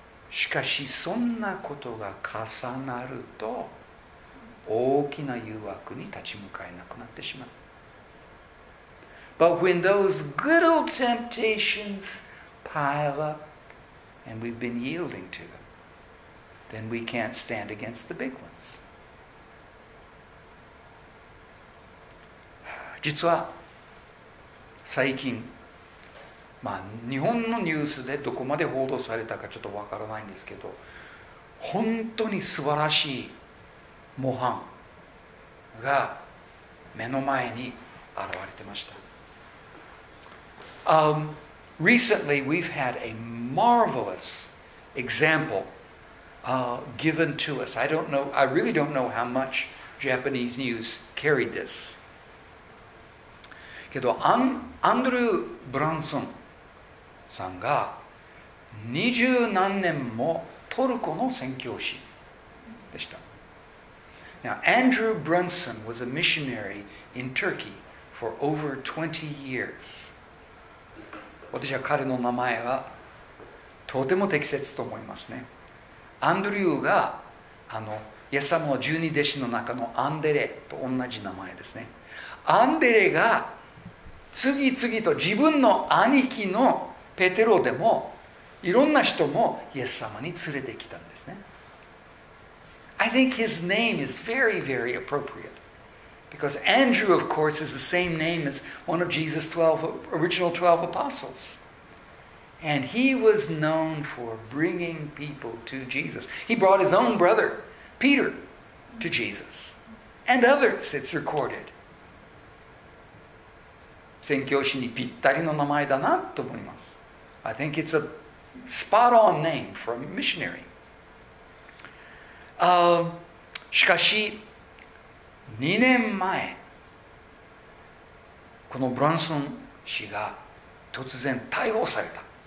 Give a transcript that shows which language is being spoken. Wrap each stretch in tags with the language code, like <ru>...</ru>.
<ja>しかしそんなことが重なると大きな誘惑に立ち向かえなくなってしまう。</ja> <en>But when those good old temptations pile up and we've been yielding to them, then we can't stand against the big ones.</en> <ja>実は最近、まあ、日本のニュースでどこまで報道されたかちょっとわからないんですけど、本当に素晴らしい模範が目の前に現れてました。</ja> <en>Recently we've had a marvelous example given to us. I really don't know how much Japanese news carried this.</en> <ja>けどアンドルー・ブランソンさんが二十何年もトルコの宣教師でした。</ja> <en>Now, Andrew Brunson was a missionary in Turkey for over 20 years.</en> <ja>私は彼の名前はとても適切と思いますね。アンドリューがイエス様の十二弟子の中のアンデレと同じ名前ですね。アンデレが次々と自分の兄貴のペテロでもいろんな人もイエス様に連れてきたんですね。</ja> <en>I think his name is very, very appropriate. Because Andrew, of course, is the same name as one of Jesus' 12, original 12 apostles. And he was known for bringing people to Jesus. He brought his own brother, Peter, to Jesus. And others, it's recorded.</en> <ja>宣教師にぴったりの名前だなと思います。</ja> <en>I think it's a spot-on name for a missionary.</en> <ja>しかし、2年前、このブランソン氏が突然逮捕された。</ja>